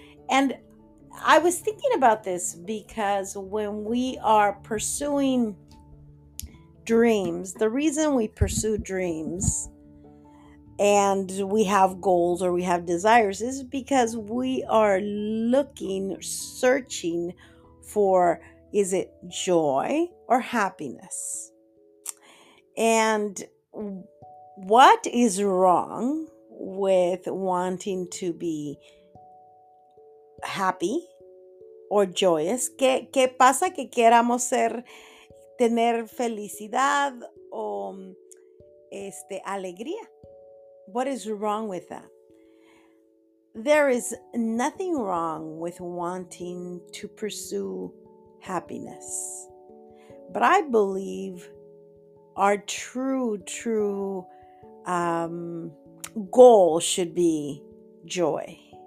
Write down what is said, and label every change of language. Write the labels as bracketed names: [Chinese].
[English] And I was thinking about this because when we are pursuing dreams, the reason we pursue dreams and we have goals or we have desires is because we are looking, searching for, is it joy or happiness? And what is wrong with wanting to be happy or joyous? [Spanish] ¿Qué pasa que queramos ser, tener felicidad o alegría? [English] What is wrong with that? There is nothing wrong with wanting to pursue happiness. But I believe our true goal should be joy.